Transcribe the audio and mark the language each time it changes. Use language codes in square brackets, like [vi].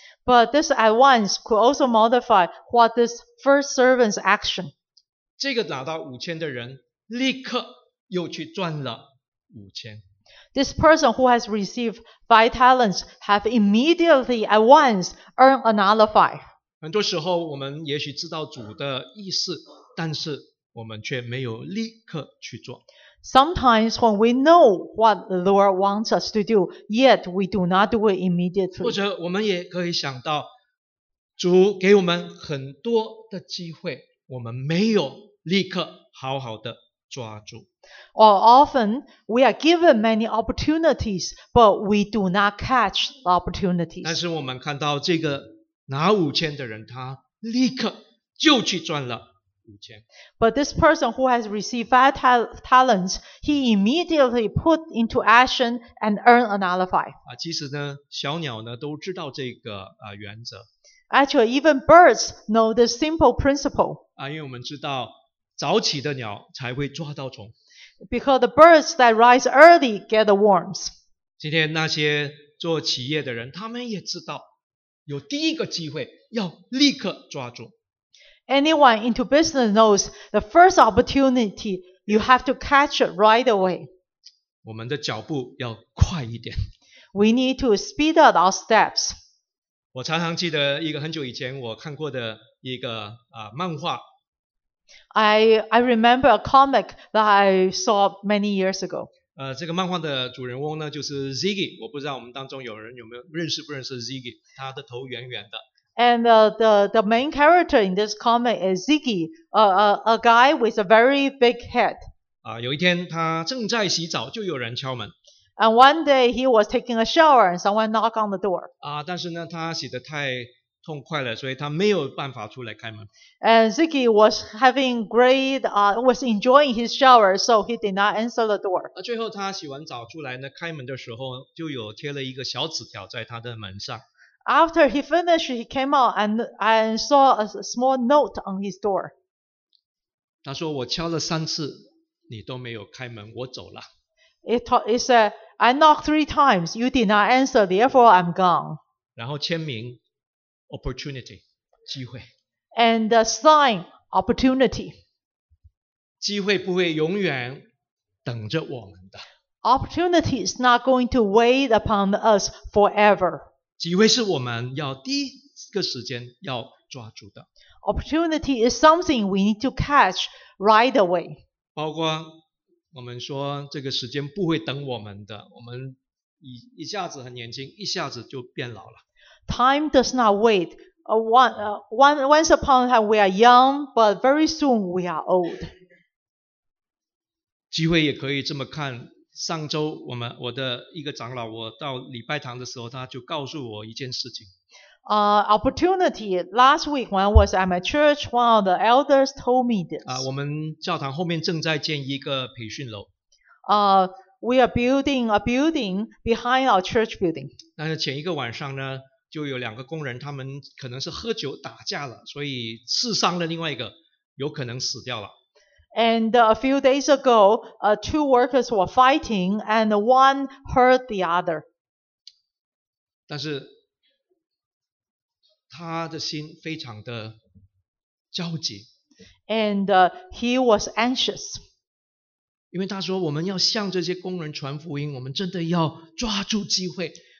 [en] But this at once could also modify what this first servant's action. [zh] 这个拿到5000的人立刻又去赚了5000。 [en] This person who has received 5 talents have immediately at once earned another 5. [zh] 很多时候我们也许知道主的意思，但是我们却没有立刻去做。 [en] Sometimes when we know what the Lord wants us to do, yet we do not do it immediately. [zh] 或者我们也可以想到，主给我们很多的机会，我们没有立刻好好的抓住。 [en] Or often we are given many opportunities, but we do not catch the opportunities. [zh] 但是我们看到这个拿五千的人，他立刻就去赚了5000。 [en] But this person who has received 5 talents, he immediately put into action and earned another 5. [zh] 其实呢，小鸟呢都知道这个原则。 [en] Actually, even birds know this simple principle. [zh] 因为我们知道早起的鸟才会抓到虫。 [en] Because the birds that rise early get the worms. [zh] 今天那些做企业的人，他们也知道，有第一个机会要立刻抓住。 [en] Anyone into business knows the first opportunity you have to catch it right away. [zh] 我们的脚步要快一点。 [en] We need to speed up our steps. [zh] 我常常记得一个很久以前我看过的一个漫画。 [en] I remember a comic that I saw many years ago. [zh] 这个漫画的主人翁呢就是 Ziggy, 我不知道我们当中有人有没有认识不认识 Ziggy, 他的头圆圆的。 [en] And the main character in this comic is Ziggy, a guy with a very big head. [zh] 有一天他正在洗澡就有人敲门。 [en] And one day he was taking a shower and someone knocked on the door. [zh] 但是呢他洗得太痛快了，所以他没有办法出来开门。 [en] And Ziggy was having great, was enjoying his shower, so he did not answer the door. [zh] 最后他洗完澡出来呢，开门的时候就有贴了一个小纸条在他的门上。 [en] After he finished, he came out and saw a small note on his door. [zh] 他说：“我敲了三次，你都没有开门，我走了。” [en] It said, "I knocked three times, you did not answer, therefore I'm gone." [zh] 然后签名。Opportunity, 机会。 [en] And the sign, opportunity. [zh] 机会不会永远等着我们的。 [en] Opportunity is not going to wait upon us forever. [zh] 机会是我们要第一个时间要抓住的。 [en] Opportunity is something we need to catch right away. [zh] 包括我们说这个时间不会等我们的，我们一下子很年轻，一下子就变老了。 [en] Time does not wait. Once upon a time, we are young, but very soon we are old. [zh] 机会也可以这么看。上周我的一个长老，我到礼拜堂的时候，他就告诉我一件事情。 [en] Opportunity. Last week, when I was at my church, one of the elders told me this. [zh] 我们教堂后面正在建一个培训楼。 [en] We are building a building behind our church building. [zh] 但是前一个晚上呢？就有两个工人，他们可能是喝酒打架了，所以刺伤了另外一个，有可能死掉了。 [en] And a few days ago, two workers were fighting, and one hurt the other. [zh] 但是他的心非常的焦急。 [en] And he was anxious. [zh] 因为他说，我们要向这些工人传福音，我们真的要抓住机会。